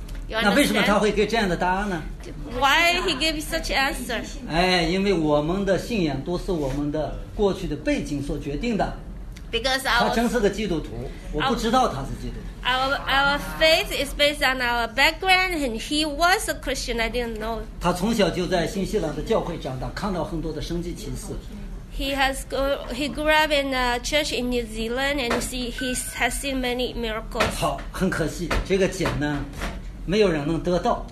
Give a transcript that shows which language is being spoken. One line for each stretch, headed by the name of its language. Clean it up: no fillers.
Chinese: 那为什么他会给这样的答案呢
English: ？Why he gave such answer?
Chinese: 哎，因为我们的信仰都是我们的过去的背景所决定的。
English: Because
Chinese: 他真是个基督徒，我不知道他是基督徒。
English: Our faith is based on our background, and he was a Christian. I didn't know.
Chinese: 他从小就在新西兰的教会长大，看到很多的神迹奇事。
English: He grew up in a church in New Zealand, and he has seen many miracles.
Chinese: 好，很可惜，这个奖呢，没有人能得到。